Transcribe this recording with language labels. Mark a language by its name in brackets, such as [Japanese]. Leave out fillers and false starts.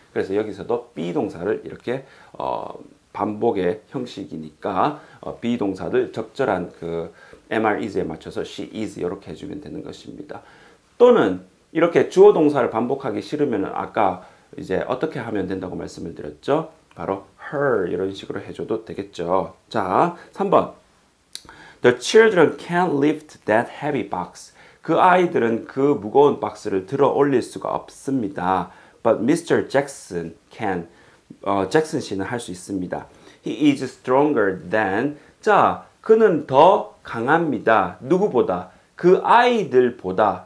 [Korean] 그래서 여기서도 be 동사를 이렇게 반복의 형식이니까 be 동사를 적절한 그 MR is에 맞춰서 [English] she is [Korean] 이렇게 해주면 되는 것입니다. 또는 이렇게 주어 동사를 반복하기 싫으면 아까 이제 어떻게 하면 된다고 말씀을 드렸죠? 바로 her 이런 식으로 해줘도 되겠죠. 자, 3번. [English] The children can't lift that heavy box. [Korean] 그 아이들은 그 무거운 박스를 들어 올릴 수가 없습니다. [English] But Mr. Jackson can. [Korean] 잭슨 씨는 할수 있습니다. [English] He is stronger than. [Korean] 자, 그는 더 강합니다. 누구보다? 그 아이들보다.